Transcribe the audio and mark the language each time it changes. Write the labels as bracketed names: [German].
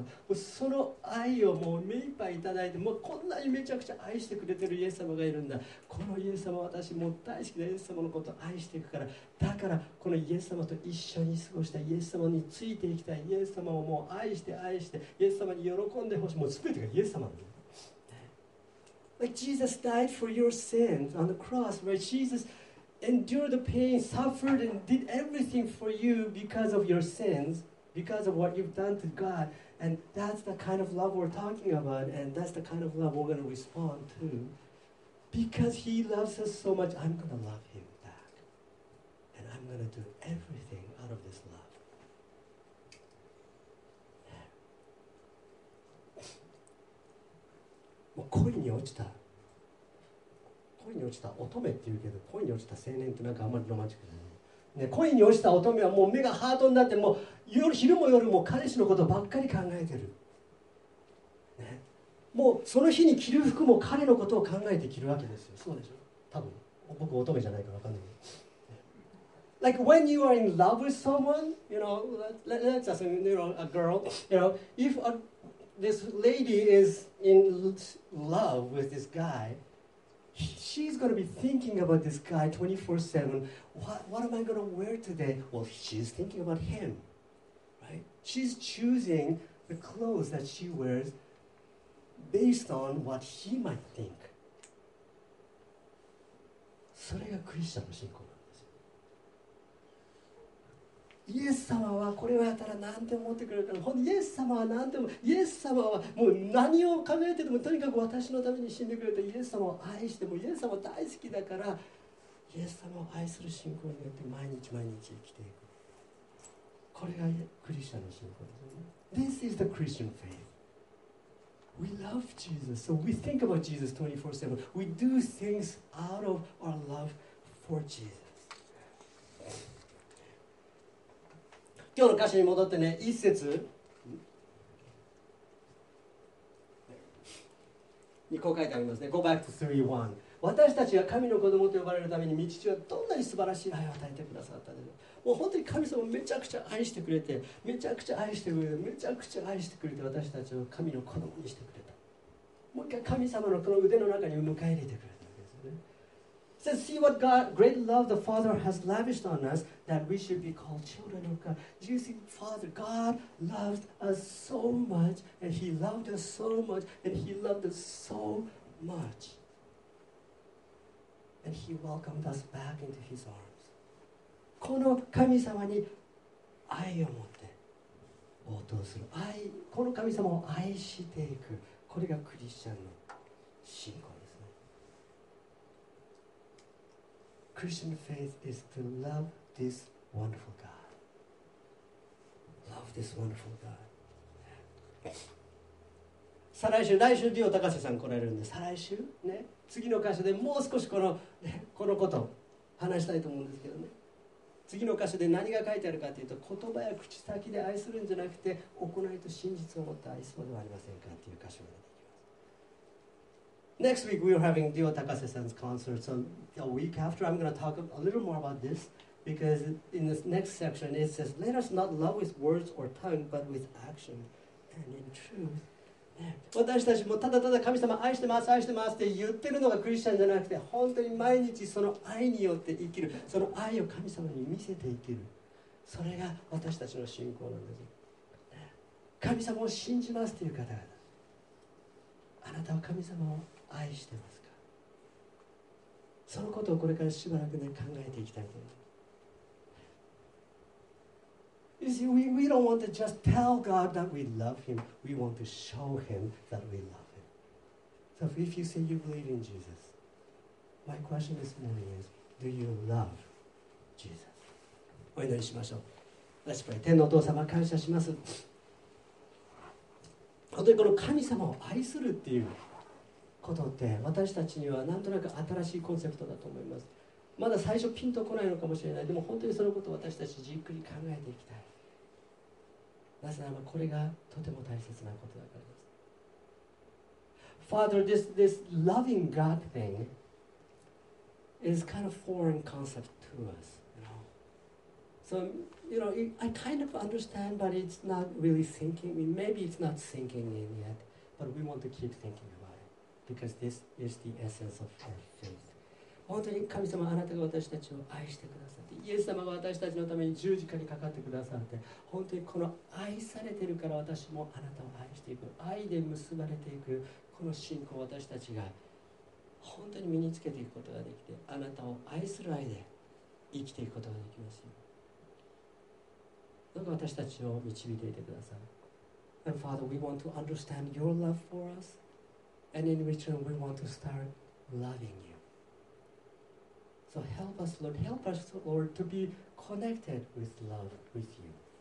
[Japanese] もうその愛をもう目いっぱいいただいて、もうこんなにめちゃくちゃ愛してくれてるイエス様がいるんだ。このイエス様、私も大好きなイエス様のことを愛していくから、だからこのイエス様と一緒に過ごしたイエス様についていきたい。イエス様をもう愛して愛して、イエス様に喜んでほしい。もう全てがイエス様だ。 [English] Like Jesus died for your sins on the cross, right? Jesus endured the pain, suffered, and did everything for you because of your sins, because of what you've done to God. And that's the kind of love we're talking about, and that's the kind of love we're going to respond to. Because He loves us so much, I'm going to love Him back. And I'm going to do everything out of this love. [Japanese] もう恋に落ちた、恋に落ちた乙女っていうけど、恋に落ちた青年ってなんかあんまりロマンチックじゃない、ね、恋に落ちた乙女はもう目がハートになって、もう夜昼も夜も彼氏のことばっかり考えてる、ね、もうその日に着る服も彼のことを考えて着るわけですよ。そうでしょ、多分僕乙女じゃないか分かんない、ね、 [English] Like when you are in love with someone, you know, let's assume, you know, a girl, you know, if aThis lady is in love with this guy. She's going to be thinking about this guy 24/7. What am I going to wear today? Well, she's thinking about him, right? She's choosing the clothes that she wears based on what he might think. [Japanese] それがクリスチャンの信仰なんですよ。イエス様はこれをやったら何て思ってくれるか、イエス様は何でも、イエス様はもう何を考えてても、とにかく私のために死んでくれて、イエス様を愛して、もうイエス様は大好きだから、イエス様を愛する信仰によって毎日毎日生きていく。これがクリスチャンの信仰ですね。 [English] This is the Christian faith. We love Jesus, so we think about Jesus 24/7. We do things out of our love for Jesus. [Japanese] 今日の歌詞に戻ってね、一節、にこう書いてありますね。 [English] Go back to 3:1. [Japanese] 私たちが神の子供と呼ばれるために、御父はどんなに素晴らしい愛を与えてくださったでしょう。もう本当に神様をめちゃくちゃ愛してくれて、めちゃくちゃ愛してくれて、めちゃくちゃ愛してくれて、私たちを神の子供にしてくれた。もう一回神様のこの腕の中に迎え入れてくれたわけですよね。 [English] So see what God, great love the Father has lavished on us. That we should be called children of God. You see, Father, God loved us so much, and He loved us so much, and He loved us so much, and He welcomed us back into His arms. [Japanese] この神様に愛を持って応答する。この神様を愛していく。これがクリスチャンの信仰。 [English] Christian faith is to love this wonderful God. Love this wonderful God. [Japanese] 再来週、来週、ディオ高瀬さん来られるんで、再来週、ね、次の箇所でもう少しこのことを話したいと思うんですけどね。次の箇所で何が書いてあるかというと、言葉や口先で愛するんじゃなくて、行いと真実を持って愛そうではありませんかという箇所が。 [English] Next week, we are having Dio Takase-san's concert. So a week after, I'm going to talk a little more about this because in this next section, it says, let us not love with words or tongue, but with action and in truth. [Japanese] 私たちもただただ神様愛してます、愛してますって言ってるのがクリスチャンじゃなくて、本当に毎日その愛によって生きる、その愛を神様に見せて生きる。それが私たちの信仰なんです。神様を信じますという方々。あなたは神様を愛してますか。そのことをこれからしばらくね考えていきたいと思います。 [English] You see, we don't want to just tell God that we love Him. We want to show Him that we love Him. So if you say you believe in Jesus, my question this morning is, do you love Jesus? [Japanese] お祈りしましょう。 [English] Let's pray. [Japanese] 天のお父様、感謝します。本当にこの神様を愛するっていうことって私たちにはなんとなく新しいコンセプトだと思います。まだ最初ピンとこないのかもしれない。でも本当にそのことを私たちじっくり考えていきたい。なぜならばこれがとても大切なことだからです。 [English] Father, this loving God thing is kind of foreign concept to us, you know. So, you know, I kind of understand, but it's not really sinking in. Maybe it's not sinking in yet, but we want to keep thinking about it because this is the essence of our faith. [Japanese] 本当に神様、あなたが私たちを愛してくださって、イエス様が私たちのために十字架にかかってくださって、本当にこの愛されているから私もあなたを愛していく、愛で結ばれていく、この信仰を私たちが本当に身につけていくことができて、あなたを愛する愛で生きていくことができますよ。どうか私たちを導いていてください。 [English] And Father, we want to understand your love for us, and in return, we want to start loving you. So help us, Lord, to be connected with love with you.